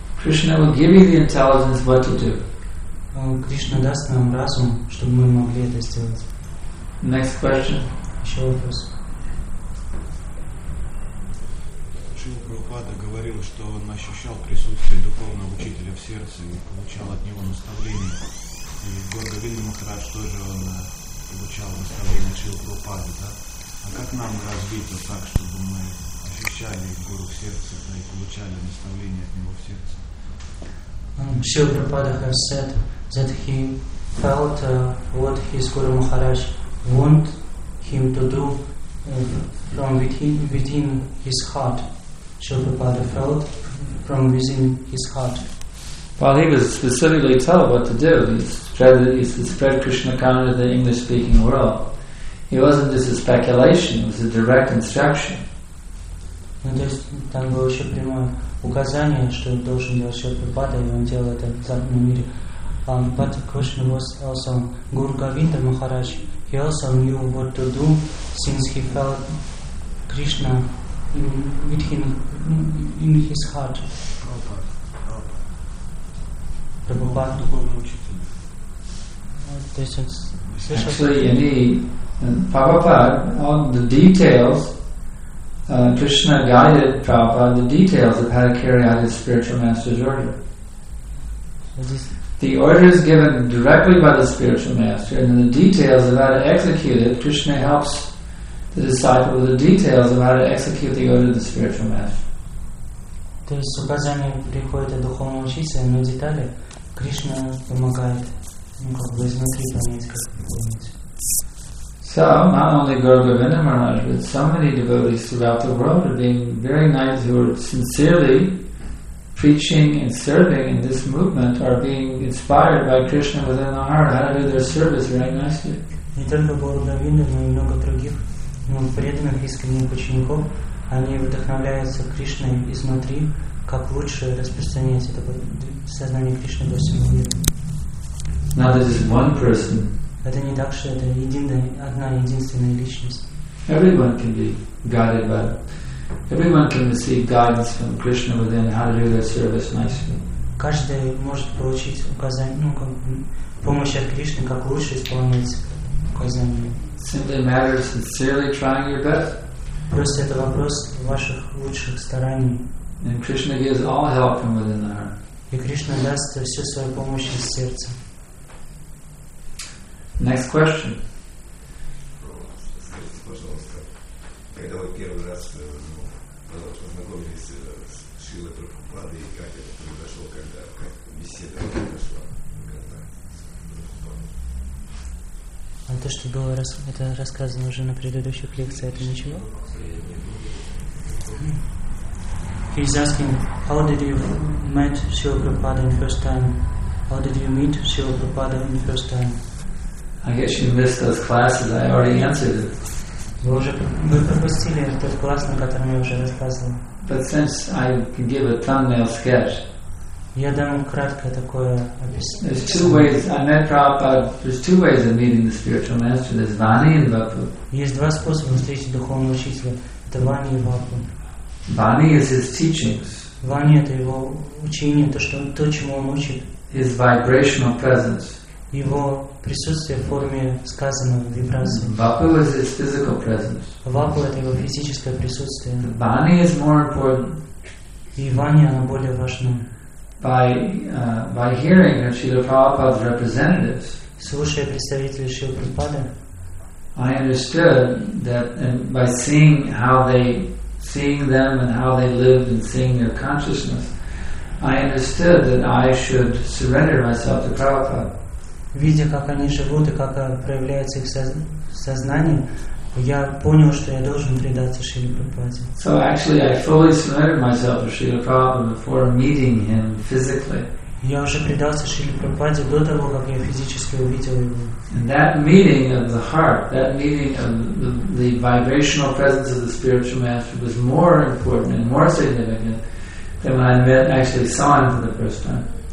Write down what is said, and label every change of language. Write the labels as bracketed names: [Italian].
[English] Krishna will give you the intelligence what to do. [Russian] Кришна даст нам разум, чтобы мы могли это сделать. [English] Next question. [Russian] Еще вопрос. Почему Прабхупада говорил, что он ощущал присутствие духовного учителя в сердце и получал от него наставления? И Гурдавинда Махарадж тоже он получал наставления от Шрилы Прабхупады, да? А как нам развить вот так, чтобы мы ощущали Гуру в сердце, да, и получали наставления от него в сердце? [English] Шрила Прабхупада has said that he felt what his Guru Maharaj want him to do from within his heart. Srila Prabhupada felt from within his heart. Well, he was specifically told what to do. He spread Krishna consciousness to the English-speaking world. It wasn't just a speculation, it was a direct instruction. [Russian] Ну, то есть, там было еще прямое указание, что должен делать Шрила Прабхупада, и он делал это в западном мире. [English] But Krishna was also Guru Govinda Maharaj. He also knew what to do since he felt Krishna with him in his heart. Actually, any Prabhupada, all the details, Krishna guided Prabhupada, the details of how to carry out his spiritual master's order. The order is given directly by the spiritual master, and then the details of how to execute it, Krishna helps the disciple with the details of how to execute the order of the spiritual master. [Russian] То есть указание приходит от духовного учителя, но детали Кришна помогает, ну как бы изнутри понять, как выполнить. [English] So, not only Guru Govinda Maharaj, but so many devotees throughout the world are being very nice, who are sincerely preaching and serving in this movement, are being inspired by Krishna within the heart, how to do their service very nicely. [Russian] Не только Guru Govinda, но и много других, но преданных искренних учеников, они вдохновляются Кришной изнутри, как лучше распространять это сознание Кришны по всему миру. [English] Now this is one person. [Russian] Это не так, что это одна единственная личность. [English] Everyone can be guided by. Everyone can receive guidance from Krishna within how to do their service nicely. [Russian] Каждый может получить указание, ну, как, помощь от Кришны, как лучше исполнять указание. [English] Simply matters sincerely trying your best. [Russian] Просто это вопрос ваших лучших стараний. [English] And Krishna gives all help from within the heart. [Russian] И Кришна даст всю свою помощь из сердца. [English] Next question. [Russian] Скажите, пожалуйста, когда вы первый раз познакомились с Шрилой Прабхупадой, и как это произошло, когда беседа произошла? А то, что было это рассказано уже на предыдущих лекциях, это ничего? [English] He's asking, how did you meet Srila Prabhupada in the first time? How did you meet Srila Prabhupada in the first time? I guess you missed those classes, I already answered it. [Russian] Вы пропустили тот класс, на котором я уже рассказывал. [English] But since I can give a thumbnail sketch, [Russian] я дам краткое такое описание. [English] There's two ways I met Prabhupada. There's two ways of meeting the spiritual master. There's Vani and Vapu. [Russian] Есть два способа встретить духовного учителя. Это Vani и Vapu. [English] Vani is his teachings. [Russian] Vani — это его учение, то, чему он учит. [English] His vibrational presence. [Russian] Его присутствие в форме сказанного, вибрации. [English] Vapu is his physical presence. [Russian] Vapu — это его физическое присутствие. [English] Vani is more important. [Russian] И Vani, она более важна. [English] By hearing of Srila Prabhupada's representatives, [Russian] слушая представителей Шрилы Прабхупады, [English] I understood that, and by seeing them and how they lived and seeing their consciousness, I understood that I should surrender myself to Prabhupada. [Russian] Видя, как они живут и как проявляется их сознание, я понял, что я должен предаться Шриле Прабхупаде. [English] So actually, I fully surrendered myself to Srila Prabhupada before meeting him physically. [Russian] Я уже предался Шриле Прабхупаде до того, как я физически увидел его. [English] And that meeting of the heart, that meeting of the vibrational presence of the spiritual master was more important and more significant than when I met actually saw him for the first time.